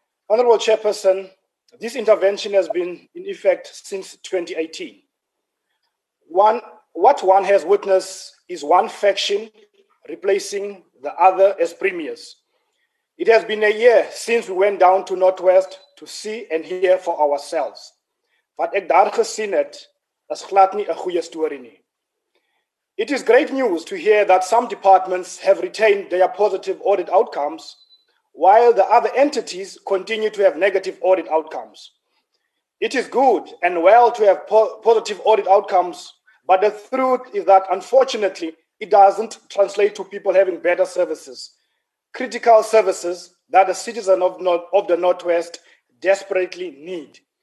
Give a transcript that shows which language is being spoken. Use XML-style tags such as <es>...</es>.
<en>Honorable Chairperson, this intervention has been in effect since 2018. What one has witnessed is one faction replacing the other as premiers. It has been a year since we went down to Northwest to see and hear for ourselves.</en> <af>Wat ek daar gesien het, is glad nie 'n goeie storie nie.</af> <en>It is great news to hear that some departments have retained their positive audit outcomes, while the other entities continue to have negative audit outcomes. It is good and well to have positive audit outcomes, but the truth is that, unfortunately, it doesn't translate to people having better services, critical services that the citizens of the Northwest desperately need.</en>